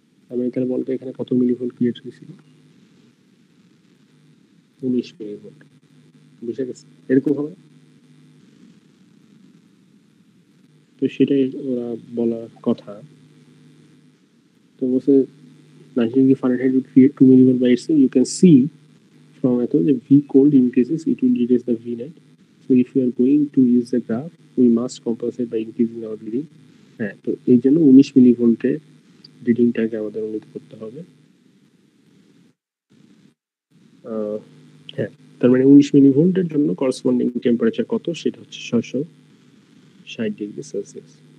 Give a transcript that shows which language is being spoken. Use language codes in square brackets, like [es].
[bn] আমি এখানে বলতে এখানে কত মিলিভোল্ট ক্রিয়েট হয়েছিল, 19 মিলিভোল্ট, বুঝে গেছে এরকম হবে। তো সেটাই ওরা বলার কথা, তো বলছে 2 millivolt by itself. [en] You can see from এত যে V cold increases, it will reduce the V net. So if you are going to use the graph, we must compensate by increasing our reading. [bn] হ্যাঁ, তো এই জন্য 19 মিলিভোল্টে রিডিংটাকে আমাদের উন্নীত করতে হবে। হ্যাঁ, তার মানে 19 মিলিভোল্টের জন্য করসপন্ডিং টেম্পারেচার কত, সেটা হচ্ছে 660 ডিগ্রি সেলসিয়াস।